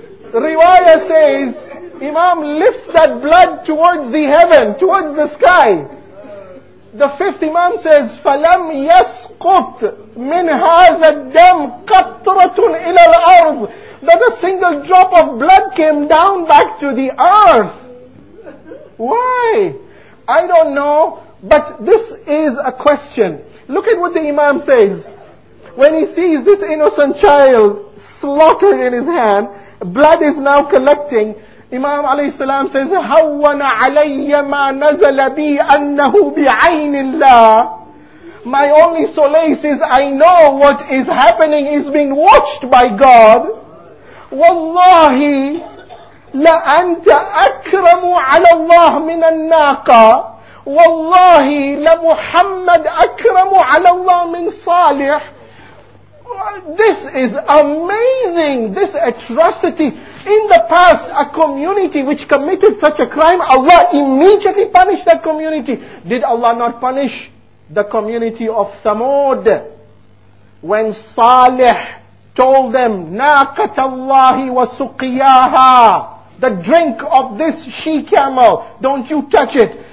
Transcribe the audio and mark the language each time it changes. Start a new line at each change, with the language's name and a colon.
English: Riwayah says, Imam lifts that blood towards the heaven, towards the sky. The fifth Imam says,
Arabic: فَلَمْ يَسْقُطْ مِنْ هَذَا الدَّمْ قَطْرَةٌ إِلَى الْأَرْضِ.
English: That a single drop of blood came down back to the earth. Why? I don't know, but this is a question. Look at what the Imam says. When he sees this innocent child slaughtered in his hand, blood is now collecting. Imam alayhi salam says,
Arabic: هَوَّنَ عَلَيَّ مَا نَزَلَ بِي أَنَّهُ بِعَيْنِ اللَّهِ.
English: My only solace is I know what is happening is being watched by God.
Arabic: وَاللَّهِ لَأَنْتَ أَكْرَمُ عَلَى اللَّهِ مِنَ النَّاقَةِ والله لمحمد أكرم على الله من صالح.
English: This is amazing, this atrocity. In the past, a community which committed such a crime, Allah immediately punished that community. Did Allah not punish the community of Thamud when Salih told them,
Arabic: Naqatallahi wa suqiyaha,
English: the drink of this she camel, don't you touch it.